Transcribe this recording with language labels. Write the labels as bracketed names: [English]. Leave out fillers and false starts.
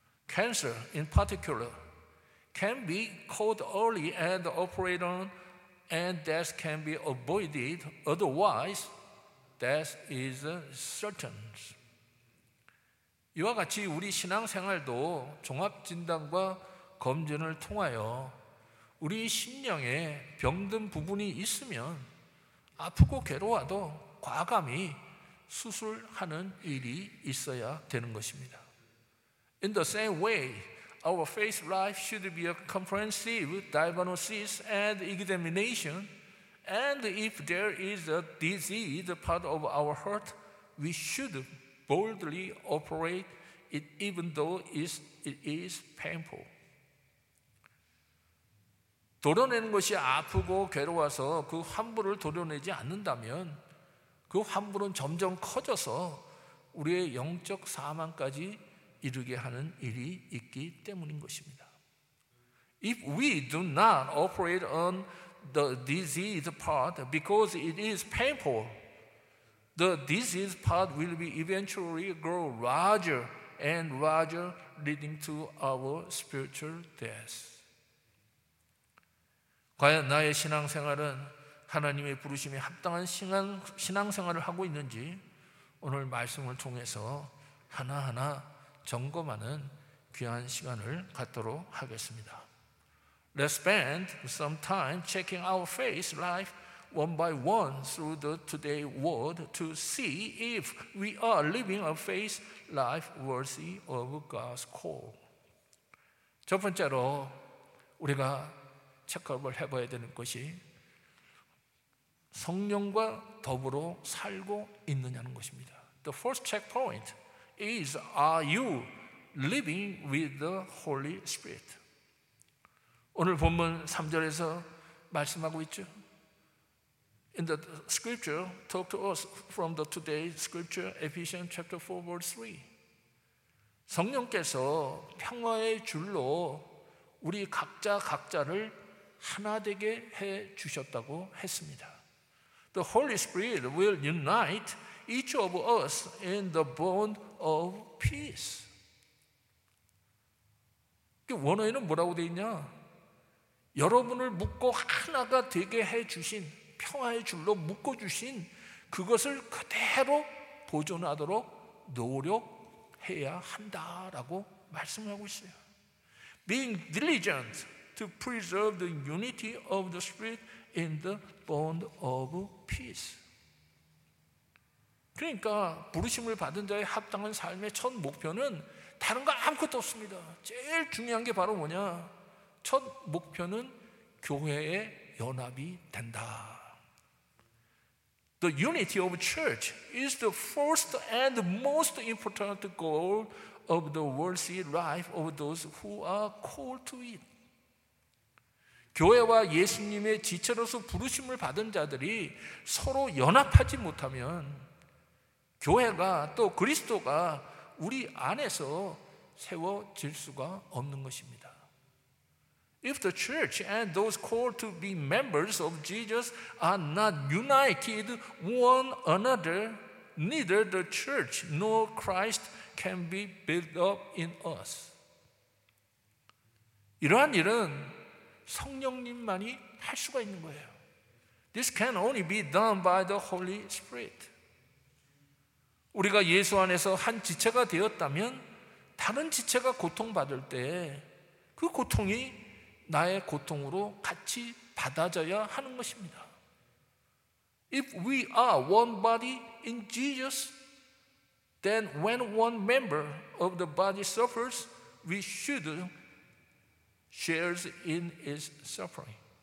[English] Cancer in particular can be caught early and operated on and death can be avoided. Otherwise, death is certain. [Korean] 이와 같이 우리 신앙생활도 종합진단과 검진을 통하여 우리 심령에 병든 부분이 있으면 아프고 괴로워도 과감히 수술하는 일이 있어야 되는 것입니다. [English] In the same way, our faith life should be a comprehensive diagnosis and examination, and if there is a diseased part of our heart, we should boldly operate it even though it is painful. [Korean] 도려내는 것이 아프고 괴로워서 그 환부를 도려내지 않는다면 그 환부는 점점 커져서 우리의 영적 사망까지 이르게 하는 일이 있기 때문인 것입니다. [English] If we do not operate on the diseased part because it is painful, the diseased part will be eventually grow larger and larger, leading to our spiritual death. [Korean] 과연 나의 신앙생활은 하나님의 부르심에 합당한 신앙생활을 하고 있는지 오늘 말씀을 통해서 하나하나 점검하는 귀한 시간을 갖도록 하겠습니다. [English] Let's spend some time checking our faith life one by one through the today word to see if we are living a faith life worthy of God's call. [Korean] 첫 번째로 우리가 체크업을 해봐야 되는 것이 성령과 더불어 살고 있느냐는 것입니다. [English] The first checkpoint is, are you living with the Holy Spirit? [Korean] 오늘 본문 3절에서 말씀하고 있죠. [English] In the scripture, talk to us from the today's scripture, Ephesians chapter 4, verse 3. [Korean] 성령께서 평화의 줄로 우리 각자 각자를 하나 되게 해 주셨다고 했습니다. [English] The Holy Spirit will unite each of us in the bond of peace. [Korean] 그 원어에는 뭐라고 돼 있냐? 여러분을 묶고 하나가 되게 해 주신 평화의 줄로 묶어 주신 그것을 그대로 보존하도록 노력해야 한다라고 말씀하고 있어요. [English] Being diligent to preserve the unity of the Spirit in the bond of peace. [Korean] 그러니까 부르심을 받은 자의 합당한 삶의 첫 목표는 다른 거 아무것도 없습니다. 제일 중요한 게 바로 뭐냐? 첫 목표는 교회의 연합이 된다. [English] The unity of church is the first and most important goal of the worthy life of those who are called to it. [Korean] 교회와 예수님의 지체로서 부르심을 받은 자들이 서로 연합하지 못하면 교회가 또 그리스도가 우리 안에서 세워질 수가 없는 것입니다. [English] If the church and those called to be members of Jesus are not united one another, neither the church nor Christ can be built up in us. [Korean] 이러한 일은 성령님만이 할 수가 있는 거예요. [English] This can only be done by the Holy Spirit. [Korean] 우리가 예수 안에서 한 지체가 되었다면 다른 지체가 고통받을 때 그 고통이 나의 고통으로 같이 받아져야 하는 것입니다. [English] If we are one body in Jesus, then when one member of the body suffers, we should shares in its suffering.